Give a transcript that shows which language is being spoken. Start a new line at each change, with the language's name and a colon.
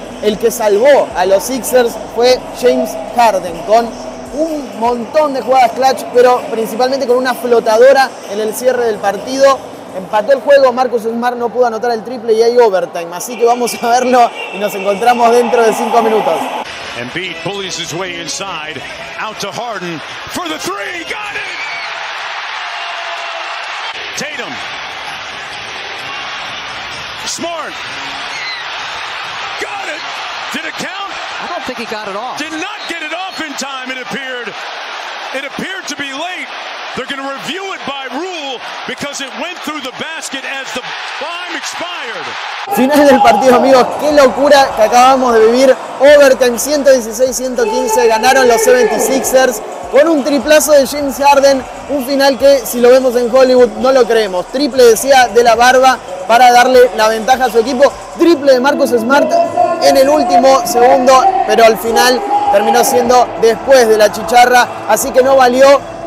Spanish: el que salvó a los Sixers fue James Harden, con un montón de jugadas clutch, pero principalmente con una flotadora en el cierre del partido. Empató el juego, Marcus Smart no pudo anotar el triple y hay overtime. Así que vamos a verlo y nos encontramos dentro de 5 minutos.
English: Embiid pulls his way inside, out to Harden for the three, got it. Tatum, Smart, got it. Did it count? I don't think he got it off. Did not get it off in time. It appeared to be late. They're going to review it by rule because it went through the basket as the time expired.
Spanish: Final del partido, amigos. Qué locura que acabamos de vivir. Overtime 116-115. Ganaron los 76ers con un triplazo de James Harden. Un final que, si lo vemos en Hollywood, no lo creemos. Triple, decía, de la barba para darle la ventaja a su equipo. Triple de Marcus Smart en el último segundo, pero al final terminó siendo después de la chicharra. Así que no valió.